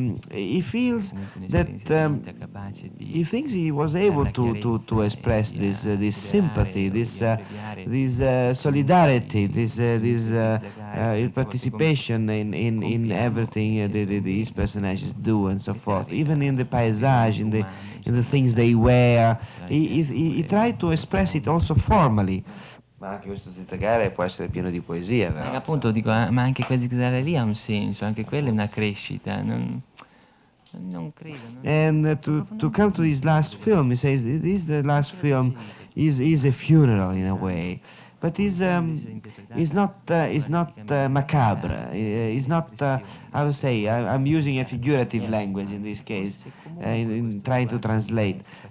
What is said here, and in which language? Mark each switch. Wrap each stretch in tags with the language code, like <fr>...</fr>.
<en>He feels that he thinks he was able to express this sympathy, this solidarity, this participation in everything these personages do and so forth. Even in the paysage, in the things they wear, he tried to express it also formally.</en> <it>Ma anche questo zitagare può essere pieno di poesia, vero? Appunto, dico, ma anche quel zitagare lì ha un senso, anche quella è una crescita, non credo.</it> <en>And to come to his last film, he says, this the last film is a funeral in a way, but is not macabre, is not, how to say, I'm using a figurative language in this case, in trying to translate.</en>